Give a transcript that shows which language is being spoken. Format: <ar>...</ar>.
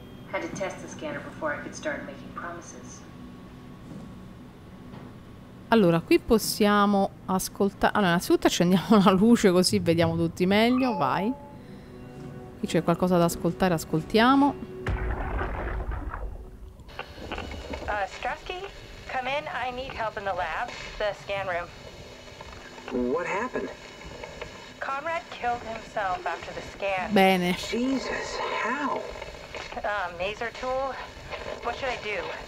<en>Had to test the scanner before I could start making promises.</en> <it>Allora, qui possiamo ascoltare. Allora, innanzitutto accendiamo la luce così vediamo tutti meglio. Vai. Qui c'è qualcosa da ascoltare, ascoltiamo.</it> <en>Strusky, come in. I need help in the lab, the scan room. What happened? Conrad killed himself after the scan.</en> <it>Bene.</it> <en>Jesus, how? Maser tool. What should I do?</en>